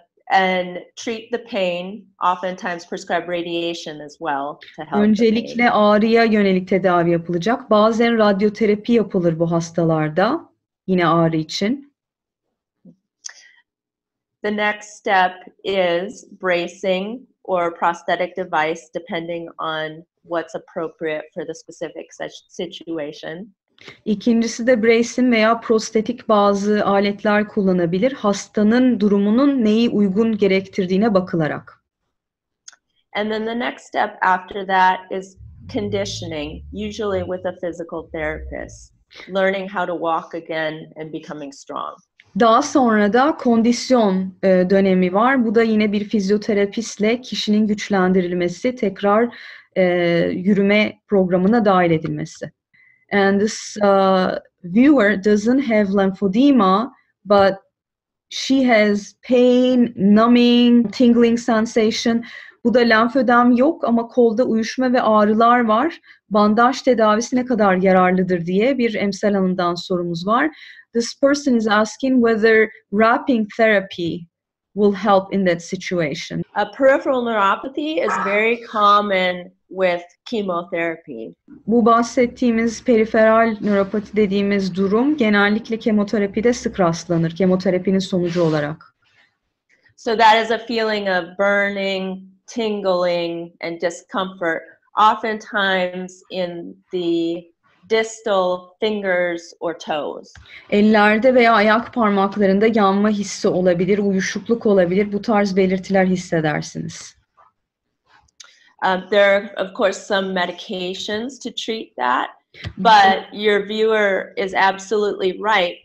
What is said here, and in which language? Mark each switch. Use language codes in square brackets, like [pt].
[en] And treat the pain, oftentimes prescribe radiation as well to help. [tr] Öncelikle ağrıya yönelik tedavi yapılacak. Bazen radyoterapi yapılır bu hastalarda yine ağrı için. [en] The next step is bracing or prosthetic device depending on what's appropriate for the specific situation. [tr] İkincisi de bracing veya prostetik bazı aletler kullanabilir. Hastanın durumunun neyi uygun gerektirdiğine bakılarak. [en] And then the next step after that is conditioning, usually with a physical therapist, learning how to walk again and becoming strong. [tr] Daha sonra da kondisyon dönemi var. Bu da yine bir fizyoterapistle kişinin güçlendirilmesi, tekrar yürüme programına dahil edilmesi. [en] And this viewer doesn't have lymphedema, but she has pain, numbing, tingling sensation. [tr] Bu da lenfödem yok ama kolda uyuşma ve ağrılar var. Bandaj tedavisi ne kadar yararlıdır diye bir Emsal Hanım'dan sorumuz var. [en] This person is asking whether wrapping therapy will help in that situation. A peripheral neuropathy is very common with chemotherapy. [tr] Bu bahsettiğimiz periferal nöropati dediğimiz durum genellikle kemoterapide sık rastlanır, kemoterapinin sonucu olarak. [en] So that is a feeling of burning, tingling and discomfort, oftentimes in the distal fingers or toes. [tr] Ellerde veya ayak parmaklarında yanma hissi olabilir, uyuşukluk olabilir. Bu tarz belirtiler hissedersiniz. [en] There are of course some medications to treat that, but your viewer is absolutely right.